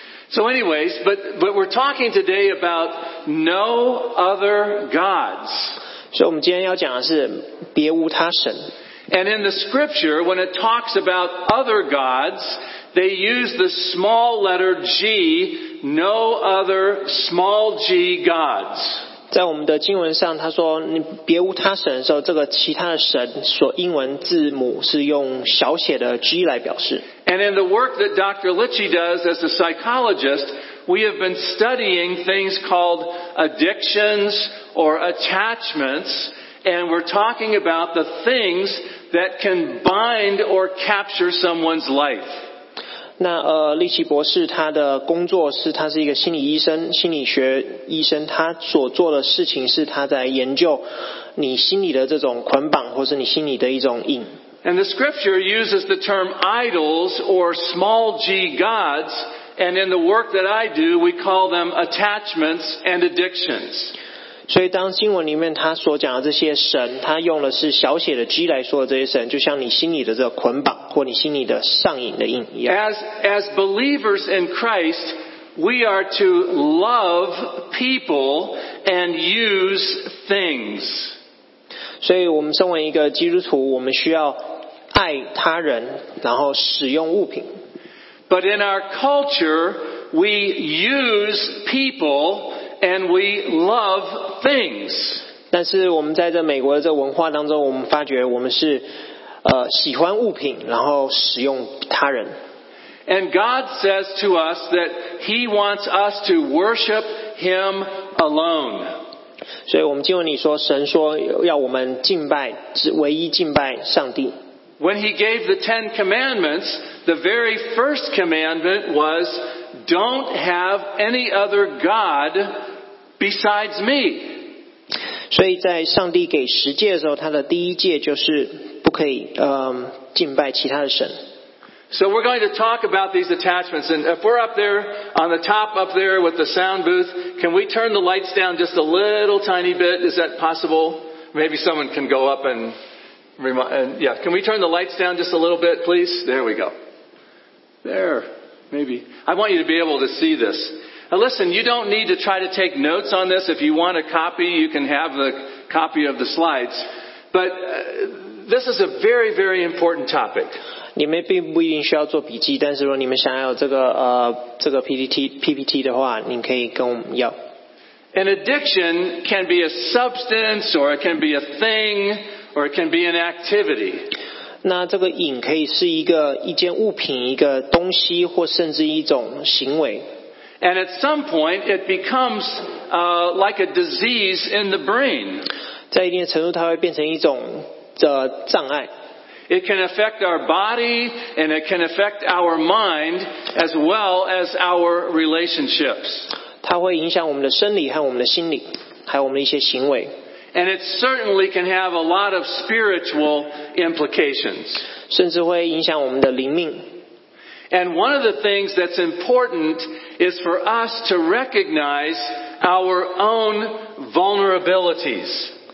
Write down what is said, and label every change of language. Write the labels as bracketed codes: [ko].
[en] So anyways, but we're talking today about no other gods. [zh] So 我们今天要讲的是别无他神。 [en] And in the scripture, when it talks about other gods, they use the small letter G, no other small g gods. [zh] 在我们的经文上他说你别无他神的时候，这个其他的神所英文字母是用小写的 G 来表示。 [en] And in the work that Dr. Litchi does as a psychologist, we have been studying things called addictions or attachments, and we're talking about the things that can bind or capture someone's life. [zh] 那利奇博士他的工作是他是一个心理医生，心理学医生，他所做的事情是他在研究你心里的这种捆绑或是你心里的一种瘾。 [en] And the scripture uses the term idols or small g gods, and in the work that I do we call them attachments and addictions. [zh] 所以当经文里面他所讲的这些神，他用的是小写的 g 来说的这些神，就像你心里的这个捆绑或你心里的上瘾的瘾一样。 [en] As believers in Christ, we are to love people and use things. [zh] 所以我们身为一个基督徒，我们需要爱他人，然后使用物品。 [en] But in our culture, we use people and we love things. [zh] 但是我们在这美国的这文化当中，我们发觉我们是喜欢物品，然后使用他人。 [en] And God says to us that He wants us to worship Him alone. [zh] 所以我们经文里说，神说要我们敬拜，唯一敬拜上帝。 [en] When He gave the Ten Commandments, the very first commandment was, "Don't have any other God besides Me." [zh] 所以在上帝给十诫的时候，他的第一诫就是。不可以敬拜其他的神。 [en] So we're going to talk about these attachments, and if we're up there on the top up there with the sound booth, can we turn the lights down just a little tiny bit? Is that possible? Maybe someone can go up and remind. Yeah, can we turn the lights down just a little bit, please? There we go. There, maybe. I want you to be able to see this. Now listen, you don't need to try to take notes on this. If you want a copy, you can have the copy of the slides, but. This is a very, very important topic. [zh] 你们并不一定需要做笔记，但是如果你们想要这个 PPT 的话，你可以跟我们要。 [en] An addiction can be a substance, or it can be a thing, or it can be an activity. [zh] 那这个瘾可以是一件物品、一个东西，或甚至一种行为。 [en] And at some point, it becomes like a disease in the brain. [zh] 在一定的程度，它会变成一种。 [en] It can affect our body and it can affect our mind as well as our relationships. [zh] 它会影响我们的生理和我们的心理，还有我们的一些行为。 [en] And it certainly can have a lot of spiritual implications. [zh] 甚至会影响我们的灵命。 [en] And one of the things that's important is for us to recognize our own vulnerabilities.